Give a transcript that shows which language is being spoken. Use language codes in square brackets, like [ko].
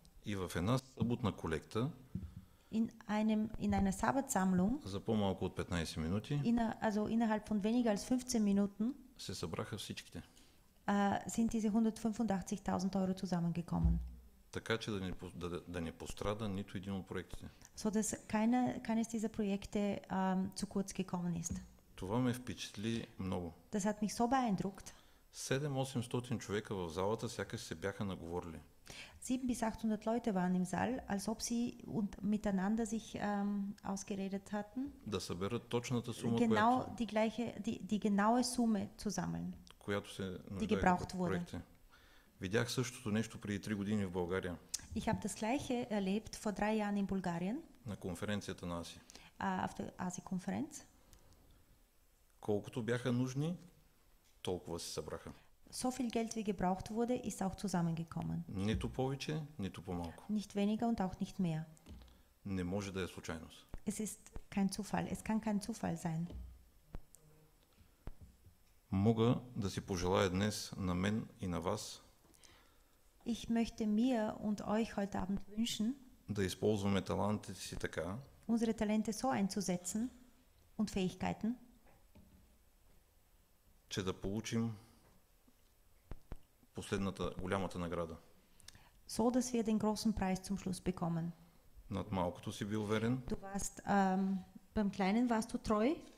[bg] И в една съботна колекта [de] in einer Sabbatsammlung [bg] за по-малко от 15 минути [de] innerhalb von weniger als 15 Minuten [bg] се събраха всичките. [de] Sind diese 185.000 Euro zusammengekommen. [bg] Така че да не пострада нито един от проектите. [de] So dass keines dieser Projekte zu kurz gekommen ist. [bg] Това ме впечатли много. [de] Das hat mich so beeindruckt. [bg] 700-800 човека в залата сякаш се бяха наговорили. [de] 700 bis 800 Leute waren im Saal, als ob sie miteinander sich ausgeredet hatten. [bg] Да съберат точната сума, [de] genau [bg] която, [de] die genaue Summe zu sammeln, die gebraucht wurde. [bg] Видях същото нещо преди 3 години в България. [de] Ich habe das gleiche erlebt vor 3 Jahren in Bulgarien. [bg] На конференцията на АСИ. [de] Auf der ASI-Konferenz. [bg] Колкото бяха нужни, толкова се събраха. [de] So viel Geld, wie gebraucht wurde, ist auch zusammengekommen. [bg] Нито повече, нито по-малко. [de] Nicht weniger und auch nicht mehr. [bg] Не може да е случайност. [de] Es ist kein Zufall. Es kann kein Zufall sein. [bg] Мога да си пожелая днес на мен и на вас. [de] Ich möchte mir und euch heute Abend wünschen, [bg] да използваме талантите си така, [de] unsere Talente so einzusetzen und Fähigkeiten, [bg] че да получим последната голямата награда. [de] So dass wir den großen Preis zum Schluss bekommen. [bg] Над малкото си бил верен. [de] Du warst, beim Kleinen warst du treu.